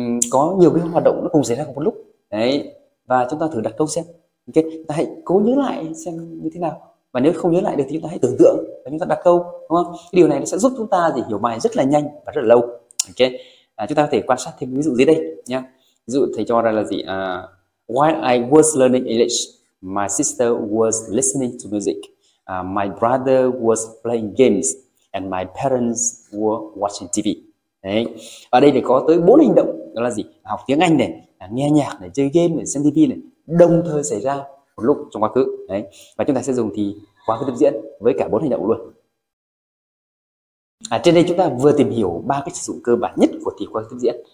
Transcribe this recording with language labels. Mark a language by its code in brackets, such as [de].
[vi] Có nhiều cái hoạt động nó cùng xảy ra cùng một lúc. Đấy. Và chúng ta thử đặt câu xem. Ok, ta hãy cố nhớ lại xem như thế nào. Và nếu không nhớ lại được thì chúng ta hãy tưởng tượng và chúng ta đặt câu, đúng không? Cái điều này nó sẽ giúp chúng ta thì hiểu bài rất là nhanh và rất là lâu. Ok, chúng ta có thể quan sát thêm ví dụ dưới đây nhá. Ví dụ thầy cho ra là gì? [en] While I was learning English, my sister was listening to music. My brother was playing games and my parents were watching TV. [vi] Đấy. Ở đây thì có tới 4 hành động, đó là gì? Học tiếng Anh này, nghe nhạc này, chơi game này, xem TV này, đồng thời xảy ra một lúc trong quá khứ. Đấy. Và chúng ta sẽ dùng thì quá khứ tiếp diễn với cả 4 hành động luôn. Trên đây chúng ta vừa tìm hiểu ba cái sử dụng cơ bản nhất của thì quá khứ tiếp diễn.